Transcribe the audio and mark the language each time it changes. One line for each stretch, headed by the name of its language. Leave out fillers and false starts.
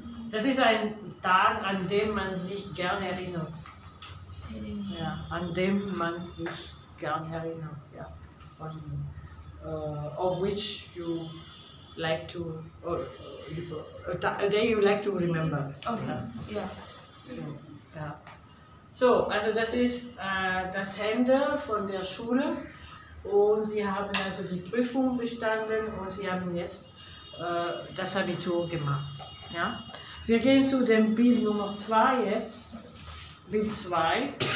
German: Das ist ein Tag, an dem man sich gern erinnert. Ja, an dem man sich gern erinnert, ja.
English: On, of which you like to, a day you like to remember.
German: Okay, ja.
English: Yeah. Yeah.
German: So, also das ist das Ende von der Schule und sie haben also die Prüfung bestanden und sie haben jetzt das Abitur gemacht, ja. Wir gehen zu dem Bild Nummer 2 jetzt. Bild 2.